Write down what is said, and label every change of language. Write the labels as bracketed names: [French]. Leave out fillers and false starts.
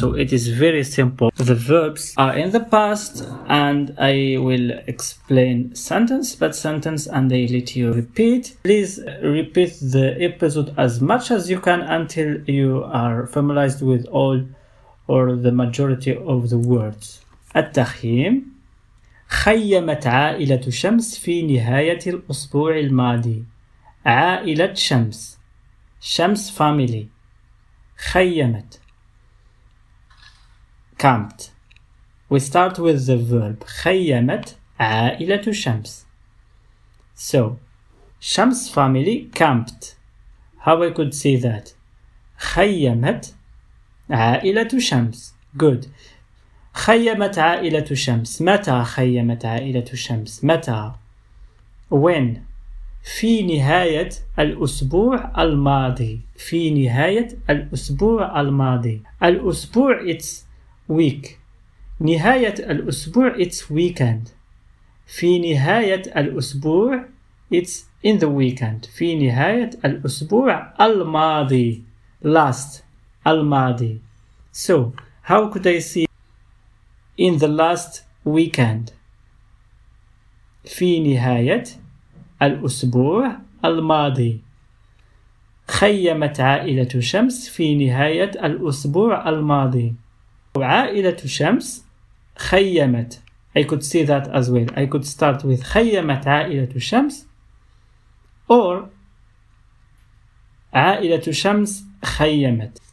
[English] So it is very simple. The verbs are in the past and I will explain sentence by sentence and I let you repeat. Please repeat the episode as much as you can until you are familiarized with all or the majority of the words. [Arabic] التخييم. خيمت عائلة شمس في نهاية الأسبوع الماضي. عائلة شمس. شمس فاميلي. خيمت. [English] Camped. We start with the verb. [Arabic] خيمت عائلة شمس. [English] So, Shams family camped. How I could say that? [Arabic] خيمت عائلة شمس. [English] Good. [Arabic] خيمت عائلة شمس. متى خيمت عائلة شمس؟ متى؟ [English] When؟ [Arabic] في نهاية الأسبوع الماضي. في نهاية الأسبوع الماضي. الأسبوع [English] it's week. [Arabic] نهاية الأسبوع [English] it's weekend. [Arabic] في نهاية الأسبوع [English] it's in the weekend. [Arabic] في نهاية الأسبوع الماضي. [English] Last. [Arabic] الماضي. [English] So how could I see in the last weekend? [Arabic] في نهاية الأسبوع الماضي. خيمت عائلة شمس في نهاية الأسبوع الماضي. عائلة شمس خيمت. [English] I could see that as well. I could start with [Arabic] خيمت عائلة شمس [English] or [Arabic] عائلة شمس خيمت.